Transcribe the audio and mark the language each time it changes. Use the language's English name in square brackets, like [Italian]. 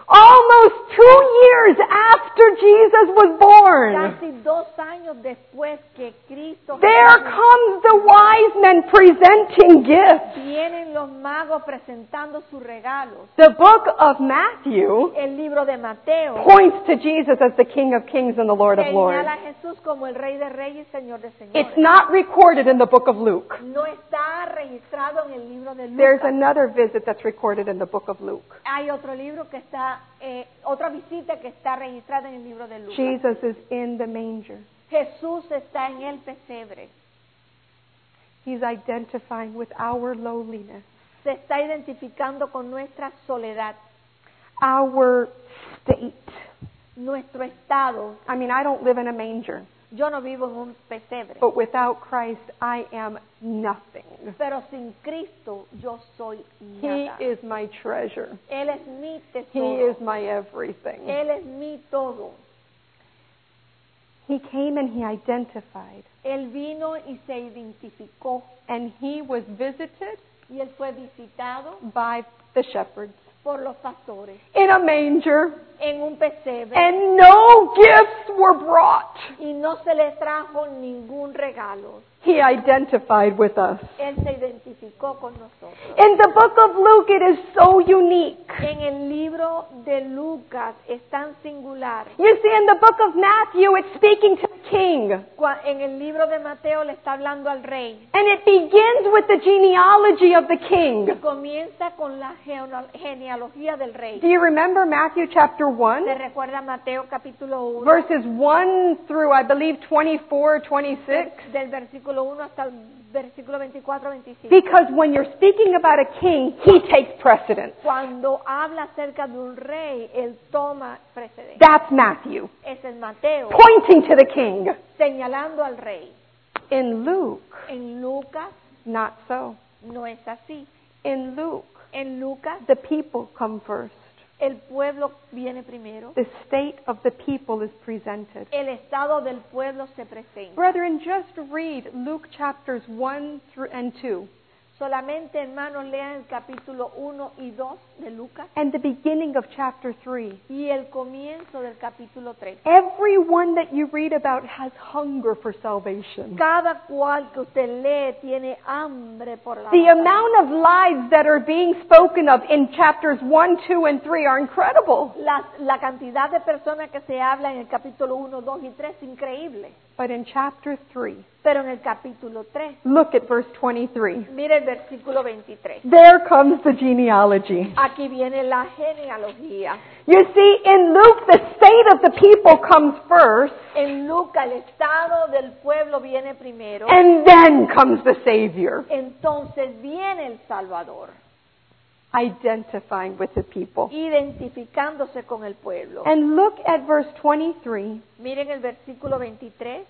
[English] Almost 2 years after Jesus was born. There comes the wise men presenting gifts. [Spanish] Vienen los magos presentando sus regalos. [English] The book of Matthew, [Spanish] el libro de Mateo, [English] points to Jesus as the King of Kings and the Lord of Lords. [Spanish] Señala a Jesús como el Rey de Reyes, Señor de Señores. [English] It's not recorded in the book of Luke. [Spanish] No está registrado en el libro de Lucas. [English] There's another visit that's recorded in the book of Luke. [Spanish] Hay otro libro que está otra visita que está registrada en el libro de Lucas. [English] Jesus is in the manger. [Spanish] Jesús está en el pesebre. [English] He's identifying with our lowliness. [Spanish] Se está identificando con nuestra soledad. [English] Our state. [Spanish] Nuestro estado. [English] I mean, I don't live in a manger. [Spanish] Yo no vivo en un pesebre. [English] But without Christ, I am nothing. [Spanish] Pero sin Cristo, yo soy nada. [English] He is my treasure. [Spanish] Él es mi tesoro. [English] He is my everything. [Spanish] Él es mi todo. [English] He came and he identified. [Spanish] Él vino y se identificó. [English] And he was visited. [Spanish] Y él fue visitado. [English] By the shepherds. [Spanish] Por los pastores. [English] In a manger. [Spanish] En un pesebre. [English] And no gifts were brought. [Spanish] Y no se le trajo ningún regalo. [English] He identified with us. [Spanish] Él se identificó con nosotros. [English] In the book of Luke, it is so unique. [Spanish] En el libro de Lucas es tan singular. [English] You see, in the book of Matthew, it's speaking to the king. [Spanish] En el libro de Mateo le está hablando al rey. [English] And it begins with the genealogy of the king. [Spanish] Y comienza con la genealogía del rey. [English] Do you remember Matthew chapter 1? [Spanish] ¿Te recuerda Mateo capítulo 1? [English] Verses 1 through, I believe, 24, 26. Because when you're speaking about a king, he takes precedence. [Spanish] Cuando habla acerca de un rey, él toma precedencia. [English] That's Matthew. [Spanish] Es el Mateo. [English] Pointing to the king. [Spanish] Señalando al rey. [English] In Luke. [Spanish] En Lucas. [English] Not so. [Spanish] No es así. [English] In Luke. [Spanish] En Lucas. [English] The people come first. [Spanish] El pueblo viene primero. [English] The state of the people is presented. [Spanish] El estado del pueblo se presenta. [English] Brethren, just read Luke chapters 1 through and 2. [Spanish] Solamente, hermanos, lean el capítulo 1 y 2 de Lucas. [English] And the beginning of chapter 3. [Spanish] Y el comienzo del capítulo 3. [English] Everyone that you read about has hunger for salvation. [Spanish] Cada cual que usted lee tiene hambre por la vida. [English] The amount of lies that are being spoken of in chapters 1, 2, and 3 are incredible. [Spanish] La cantidad de personas que se habla en el capítulo 1, 2 y 3 es increíble. [English] But in chapter 3. [Spanish] Pero en el capítulo 3. [English] Look at verse 23. [Spanish] Mira el versículo 23. [English] There comes the genealogy. [Spanish] Aquí viene la genealogía. [English] You see, in Luke, the state of the people comes first. [Spanish] En Luke, el estado del pueblo viene primero. [English] And then comes the Savior. [Spanish] Entonces viene el Salvador. [English] Identifying with the people. [Spanish] Identificándose con el pueblo. [English] And look at verse 23. [Spanish] Miren el versículo 23.